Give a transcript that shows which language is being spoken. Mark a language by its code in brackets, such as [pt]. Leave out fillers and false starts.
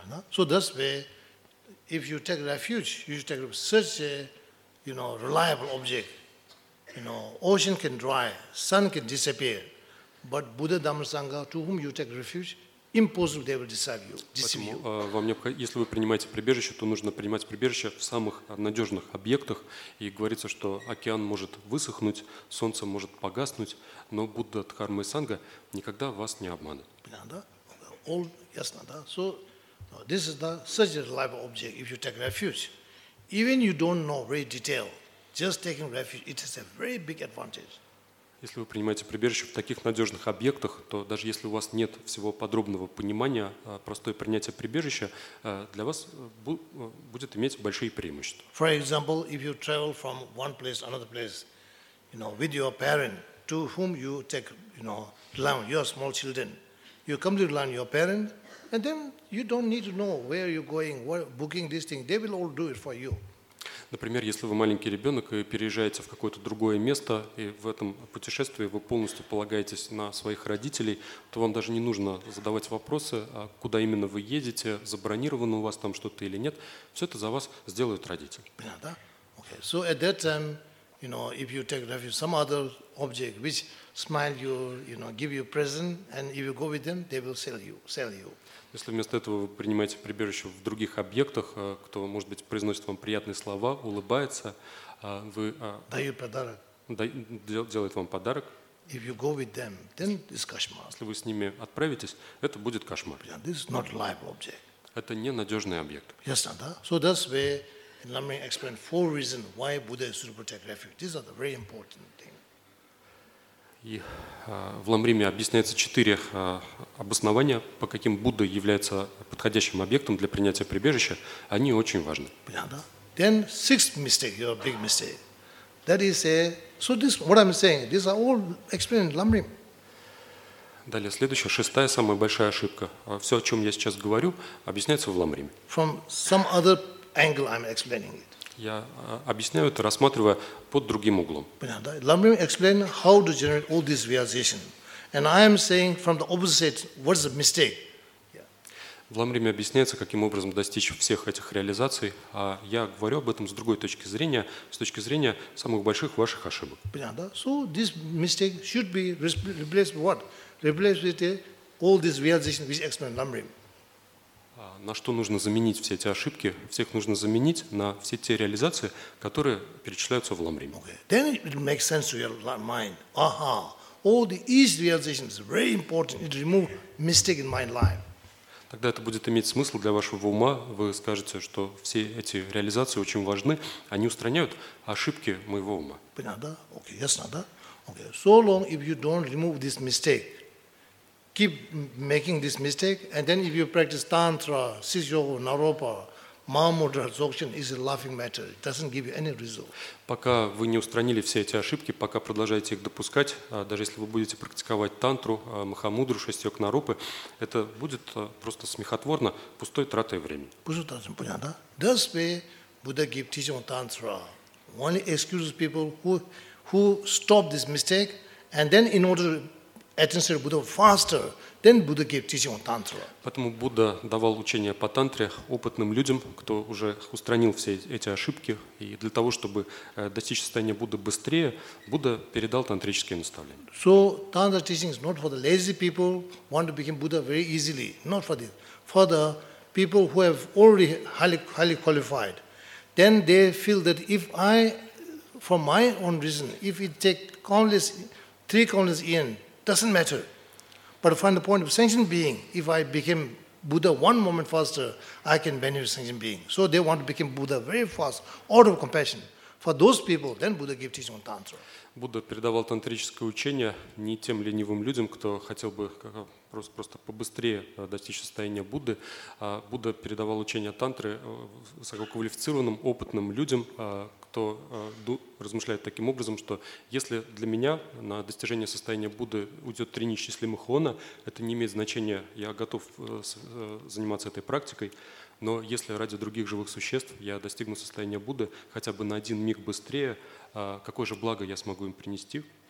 [en] So that's why, if you take refuge, you should take such a, you know, reliable object. You know, ocean can dry, sun can disappear, but Buddha, Dhamma, Sangha, to whom you take refuge, impossible they will deceive you. [ru] Поэтому вам необходимо, если вы принимаете прибежище, то нужно принимать прибежище в самых надежных объектах. И говорится, что океан может высохнуть, солнце может погаснуть, но Будда, Дхарма и Санга никогда вас не обманут. [en] All yes, no, [ru] da. [en] So no, this is the such a reliable object. If you take refuge, even you don't know very detail, just taking refuge, it is a very big advantage. [ru] Если вы принимаете прибежище в таких надежных объектах, то даже если у вас нет всего подробного понимания, простое принятие прибежища для вас будет иметь большие преимущества. [en] For example, if you travel from one place to another place, you know, with your parent, to whom you take, you know, along your small children. You come to learn your parents, and then you don't need to know where you're going, where, booking this thing. They will all do it for you. [ru] Например, если вы маленький ребенок и переезжаете в какое-то другое место, и в этом путешествии вы полностью полагаетесь на своих родителей, то вам даже не нужно задавать вопросы, куда именно вы едете, забронировано у вас там что-то или нет. Все это за вас сделают родители. Да. [en] Okay. So at that time, you know, if you take refuge, some other object which smile you, you know, give you present, and if you go with them, they will sell you. [ru] Если вместо этого вы принимаете прибежище в других объектах, кто, может быть, произносит вам приятные слова, улыбается, вы дают подарок. Делает вам подарок. [en] If you go with them, then this [ru] кошмар. Если вы с ними отправитесь, это будет кошмар. [en] Yeah, this is not reliable object. [ru] Это ненадежный объект. [en] Yes, not that. So that's why Lama explained four reasons why Buddha should protect refuge. These are the very important things. [ru] И в Ламриме объясняется четыре обоснования, по каким Будда является подходящим объектом для принятия прибежища. Они очень важны. [en] Then sixth mistake, your big mistake. That is a, so this, what I'm saying, these are all explained in Ламрим. [ru] Далее, следующая, шестая, самая большая ошибка. Все, о чем я сейчас говорю, объясняется в Ламриме. [en] From some other angle I'm explaining it. [ru] Я объясняю это, рассматривая под другим углом. [en] Ламрим explained how to generate all these realizations. And I am saying from the opposite, what's the mistake? [ru] В Ламриме объясняется, каким образом достичь всех этих реализаций, а я говорю об этом с другой точки зрения, с точки зрения самых больших ваших ошибок. Понятно, да? [en] So this mistake should be replaced with what? Replaced with all these realizations which explain Ламрим. [ru] На что нужно заменить все эти ошибки? Всех нужно заменить на все те реализации, которые перечисляются в Ламриме. [en] Okay. Then it makes sense to your mind. Aha, all these realizations is very important to remove mistake in my life. [ru] Тогда это будет иметь смысл для вашего ума. Вы скажете, что все эти реализации очень важны. Они устраняют ошибки моего ума. Понятно, да? Окей, ясно, да? Окей. [en] So long if you don't remove this mistake. Keep making this mistake. And then if you practice Tantra, Sisyoga, Naropa, Mahamudra, Dzogchen, it's a laughing matter. It doesn't give you any result. [ru] Пока вы не устранили все эти ошибки, пока продолжаете их допускать, даже если вы будете практиковать тантру, махамудру, шестьёк нарупы, это будет просто смехотворно, пустой тратой времени. Пустой тратой, понятно, да? [en] This way, Buddha gives teaching on tantra. Only excuses people who stop this mistake, and then in order to attain Sri Buddha faster, then Buddha gave teaching on tantra. [ru] Поэтому Будда давал учение по тантре опытным людям, кто уже устранил все эти ошибки, и для того, чтобы достичь состояния Будды быстрее, Будда передал тантрические наставления. [en] So tantra teaching is not for the lazy people who want to become Buddha very easily. Not for this. For the people who have already highly qualified, then they feel that if I, for my own reason, if it take countless, three countless yen, doesn't matter. But from the point of sentient being, if I became Buddha one moment faster, I can benefit sentient being. So they want to become Buddha very fast, out of compassion. For those people, then Buddha gave teaching on tantra. [ru] Будда передавал тантрическое учение не тем ленивым людям, кто хотел бы просто побыстрее достичь состояния Будды. Будда передавал учение тантры высококвалифицированным, опытным людям, кто размышляет таким образом, что если для меня на достижение состояния Будды уйдет три неисчислимых иона, это не имеет значения, я готов заниматься этой практикой, но если ради других живых существ я достигну состояния Будды хотя бы на один миг быстрее, какое же благо я смогу им принести?